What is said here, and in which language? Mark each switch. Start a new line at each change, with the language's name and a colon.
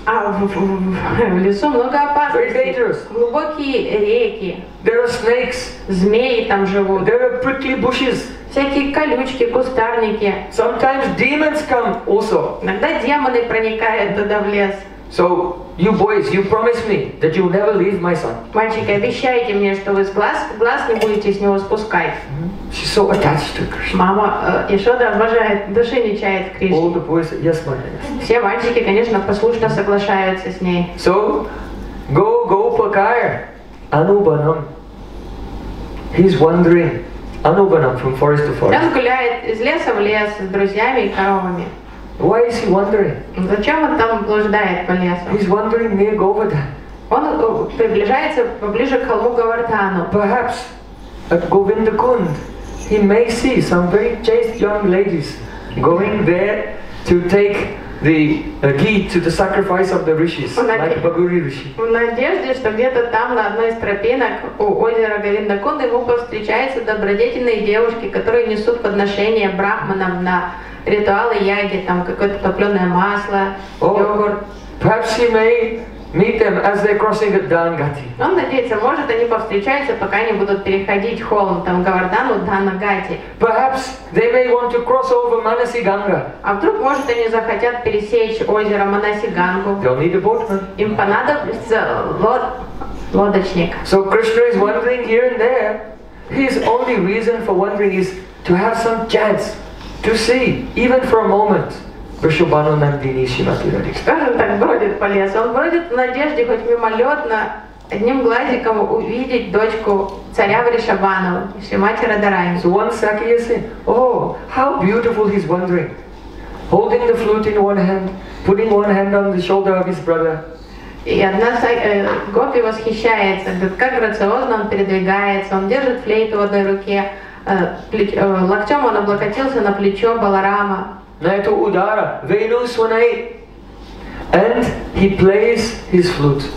Russian: В лесу много опасностей.
English: Very dangerous.
Russian: Глубокие реки.
English: There are snakes.
Russian: Змеи там живут.
English: There are prickly bushes.
Russian: Всякие колючки, кустарники.
English: Sometimes demons come also.
Russian: Иногда демоны проникают туда в лес.
English: So you boys, you promise me that you'll never leave my son.
Russian: Мальчики, обещайте мне, что вы глаз не будете с него спускать.
English: She's so attached to Krishna.
Russian: Мама Яшода обожает, души не чает Кришне.
English: All the boys, yes, my dear.
Russian: Все мальчики, конечно, послушно соглашаются с ней.
English: So go, go, Pakaya, Anubanam. He's wandering, Anubanam, from forest to forest.
Russian: Он гуляет из леса в лес с друзьями и коровами.
English: Why is he wandering?
Russian: Зачем он там блуждает по лесу?
English: He's wandering near Govardhan.
Russian: Он приближается поближе к холму Говардхану.
English: Perhaps at Govindakund he may see some very chaste young ladies going there to take the ghee to the sacrifice of the rishis, like Bhaguri Rishi.
Russian: В надежде, что где-то там на одной из тропинок у озера Говиндакунда ему повстречаются добродетельные девушки, которые несут подношения брахманам на ритуалы яги, там какое-то топленое масло, йогурт.
English: Perhaps he may meet them as they're crossing at Dhanagati.
Russian: Он надеется, может, они повстречаются, пока они будут переходить холм, там Говардхану, Дханагати.
English: Perhaps they may want to cross over Manasi Ganga.
Russian: А вдруг, может, они захотят пересечь озеро Манаси Гангу?
English: They'll need a boatman.
Russian: Им понадобится лодочник.
English: So Krishna is wandering here and there. His only reason for wandering is to have some chance to see, even for a moment, Vrishobhanu Nandini Shrimati Radhika.
Russian: Скажем так, бродит по лесу. Он бродит в надежде, хоть мимолетно, одним глазиком увидеть дочку царя Вришабану, Шримати Радарани.
English: So one Sakhi is saying, oh, how beautiful he's wandering. Holding the flute in one hand, putting one hand on the shoulder of his brother.
Russian: И одна гопи восхищается, говорит, как грациозно он передвигается, он держит флейту в одной руке. Локтем он облокотился на плечо Баларама. На эту удара Вейну Сванай.
English: And he plays his flute.